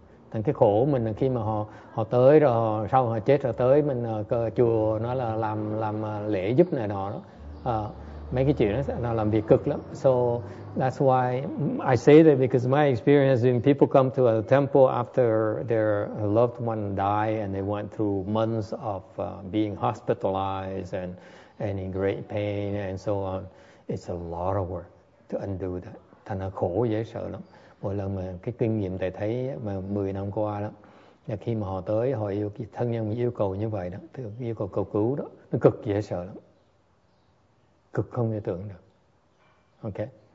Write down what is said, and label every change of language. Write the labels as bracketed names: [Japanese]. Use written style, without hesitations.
[Vietnamese] Thành cái khổ mình là khi mà họ tới rồi sau họ chết rồi tới mình chùa nó là làm lễ giúp này nọ đó. Mấy cái chuyện nó làm việc cực lắm. [English] So that's why I say that, because my experience when people come to a temple after their loved one die and they went through months of being hospitalized and in great pain and so on, it's a lot of work to undo that. [Vietnamese] Thành là khổ dễ sợ lắm. Mỗi lần mà cái kinh nghiệm thầy thấy mà 10 năm qua đó, là khi mà họ tới, họ yêu thân nhân yêu cầu như vậy đó, yêu cầu cầu cứu đó, nó cực dễ sợ lắm. Cực không thể tưởng được. Ok.